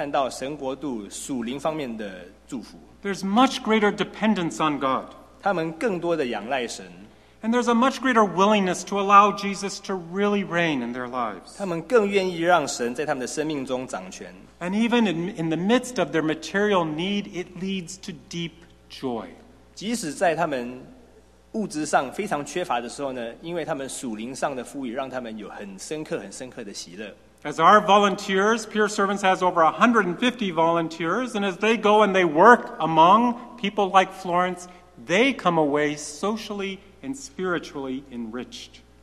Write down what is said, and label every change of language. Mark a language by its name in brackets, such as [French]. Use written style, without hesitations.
[Chinese] 我们也常常在物质贫困的人身上看到神国度属灵方面的祝福。 [English] There's much greater dependence on God. [Chinese] 他们更多的仰赖神。 [English] And there's a much greater willingness to allow Jesus to really reign in their lives. [Chinese] 他们更愿意让神在他们的生命中掌权。 [English] And even in the midst of their material need, it leads to deep joy. [Chinese] 即使在他们物质上非常缺乏的时候呢，因为他们属灵上的富裕，让他们有很深刻、很深刻的喜乐。 [English] As our volunteers, Peer Servants has over 150 volunteers, and as they go and they work among people like Florence, they come away socially and spiritually enriched.